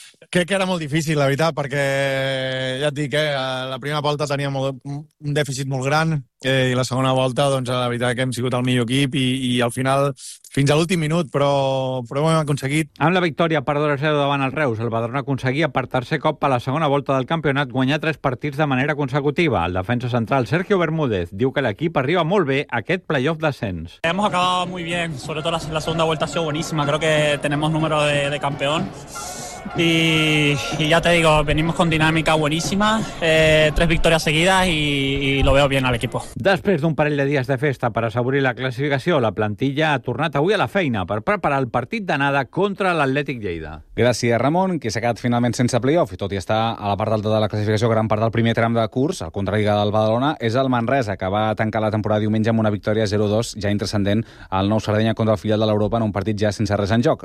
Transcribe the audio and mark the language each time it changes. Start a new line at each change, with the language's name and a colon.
Catalan: Crec que era molt difícil, la veritat, perquè ja et dic, la primera volta tenia un dèficit molt gran, i la segona volta, doncs, la veritat que hem sigut el millor equip i al final fins a l'últim minut, però ho hem aconseguit. Amb la victòria per 2-0 davant el Reus, el Badalona aconseguia per tercer cop a la segona volta del campionat guanyar 3 partits de manera consecutiva. El defensa central Sergio Bermúdez diu que l'equip arriba molt bé a aquest playoff d'ascens.
Spanish: Hemos acabado muy bien, sobre todo la segunda vuelta ha sido buenísima, creo que tenemos número de campeón. Y ya te digo, venimos con dinámica buenísima, 3 victorias seguidas y lo veo bien al equipo.
Catalan: Després d'un parell de dies de festa per assegurir la classificació, la plantilla ha tornat avui a la feina per preparar el partit d'anada contra l'Atlètic Lleida. Gràcies, Ramon, que s'ha quedat finalment sense play-off, i tot i estar a la part alta de la classificació, gran part del primer tram de curs, al contrari del Badalona, és el Manresa, que va tancar la temporada diumenge amb una victòria 0-2, ja intranscendent, al Nou Sardenya contra el filial de l'Europa en un partit ja sense res en joc.